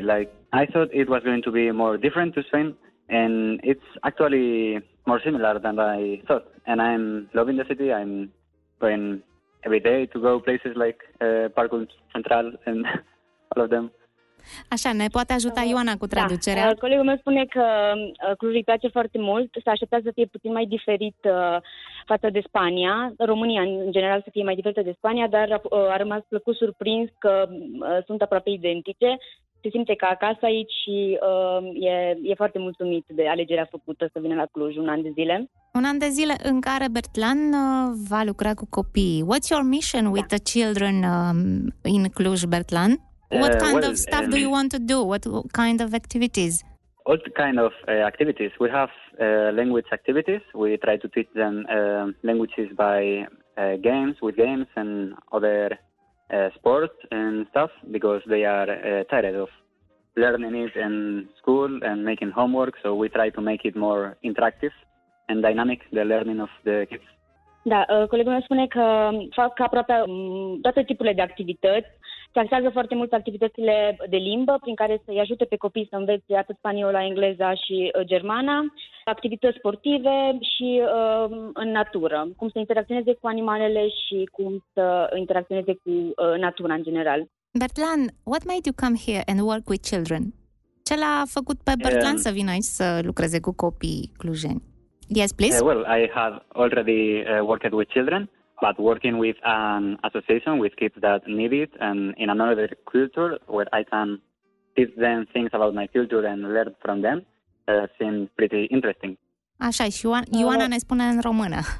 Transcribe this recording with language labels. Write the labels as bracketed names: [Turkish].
[English] Like, I thought it was going to be more different to Spain, and it's actually more similar than I thought. And I'm loving the city. I'm going every day to go places like Parcul Central and all of them. [Romanian] Așa, ne poate ajuta Ioana cu traducerea? Da. Colegul meu spune că Cluj îi place foarte mult, se aștepta să fie puțin mai diferit față de Spania, România în general să fie mai diferită de Spania, dar a rămas plăcut surprins că sunt aproape identice, se simte ca acasă aici și e foarte mulțumit de alegerea făcută să vină la Cluj un an de zile. Un an de zile în care Bertlan va lucra cu copiii. [English] What's your mission with the children in Cluj, Bertlan? What kind of stuff do you want to do? What kind of activities? All kind of activities. We have language activities. We try to teach them languages by games and other sports and stuff because they are tired of learning it in school and making homework. So we try to make it more interactive and dynamic, the learning of the kids. [Romanian] Da, colegul meu spune că fac aproape toate tipurile de activități. Se axează foarte mult activitățile de limbă, prin care să-i ajute pe copii să învețe atât spaniola, engleza și germana, activități sportive și în natură, cum să interacționeze cu animalele și cum să interacționeze cu natura în general. [English] Bertlan, what made you come here and work with children? [Romanian] Ce l-a făcut pe Bertlan să vină aici să lucreze cu copii clujeni? [English] Yes, please. Well, I have already worked with children, but working with an association with kids that need it and in another culture where I can teach them things about my culture and learn from them seemed pretty interesting. [Romanian] Așa, și Ioana ne spune în română.